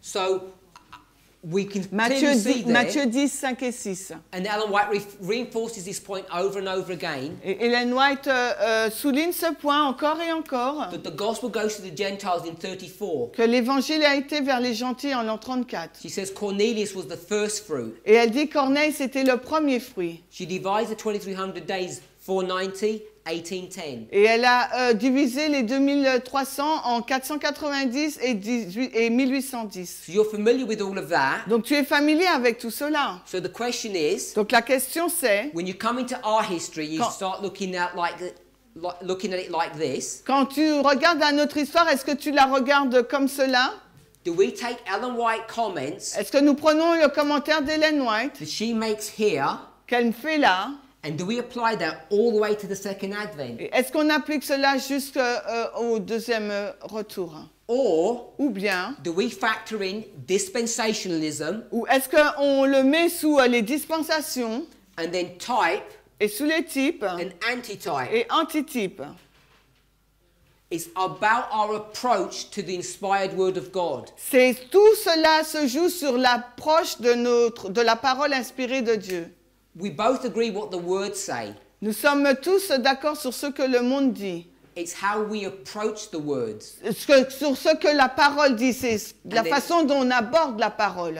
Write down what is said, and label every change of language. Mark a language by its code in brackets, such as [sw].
[en] So, we can Matthieu clearly see there. [fr] Matthieu 10, 5 et 6. [en] And Ellen White reinforces this point over and over again. [fr] Et Ellen White souligne ce point encore et encore. [en] That the gospel goes to the Gentiles in 34. [fr] Que l'évangile a été vers les gentils en l'an 34. [en] She says Cornelius was the first fruit. [fr] Et elle dit Corneille c'était le premier fruit. [en] She divides the 2300 days 490, 1810. [fr] Et elle a divisé les 2300 en 490 et 1810. [en] So you're familiar with all of that. [fr] Donc tu es familier avec tout cela. [en] So the question is, [fr] donc la question c'est, [en] when you come into our history, you start looking at looking at it like this. [fr] Quand tu regardes à notre histoire, est-ce que tu la regardes comme cela? [en] Do we take Ellen White's comments? [fr] Est-ce que nous prenons le commentaire d'Ellen White? [en] That she makes here. [fr] Qu'elle fait là. [en] And do we apply that all the way to the second advent? [fr] Est-ce qu'on applique cela jusque au deuxième retour? [en] Or, [fr] ou bien, [en] do we factor in dispensationalism? [fr] Ou est-ce qu'on le met sous les dispensations? [en] And then type [fr] Et sous les types. [en] An anti-type. [fr] Et anti-type. [en] It's about our approach to the inspired word of God. [fr] C'est tout cela se joue sur l'approche de notre de la parole inspirée de Dieu. [en] We both agree what the word say. [fr] Nous sommes tous d'accord sur ce que le monde dit. [en] It's how we approach the words. [fr] Sur ce que la parole dit, c'est la façon dont on aborde la parole.